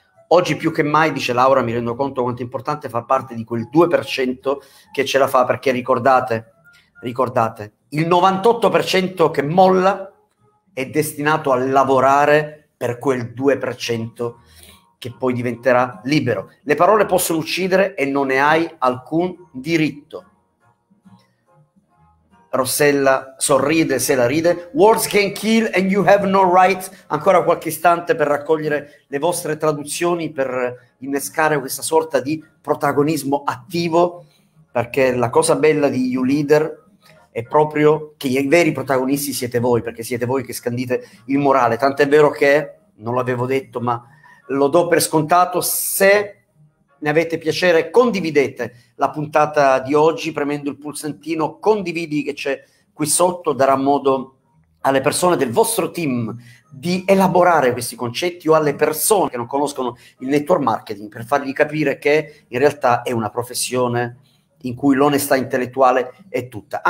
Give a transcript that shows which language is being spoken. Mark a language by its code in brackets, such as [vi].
[it] Oggi più che mai, dice Laura, mi rendo conto quanto è importante far parte di quel 2% che ce la fa, perché ricordate, il 98% che molla è destinato a lavorare per quel 2% che poi diventerà libero. Le parole possono uccidere e non ne hai alcun diritto. Rossella sorride, se la ride. [en] Words can kill and you have no right. [it] Ancora qualche istante per raccogliere le vostre traduzioni, per innescare questa sorta di protagonismo attivo, perché la cosa bella di You Leader è proprio che i veri protagonisti siete voi, perché siete voi che scandite il morale. Tant'è vero che, non l'avevo detto ma lo do per scontato, se ne avete piacere, condividete la puntata di oggi premendo il pulsantino condividi che c'è qui sotto, darà modo alle persone del vostro team di elaborare questi concetti, o alle persone che non conoscono il network marketing, per fargli capire che in realtà è una professione in cui l'onestà intellettuale è tutta.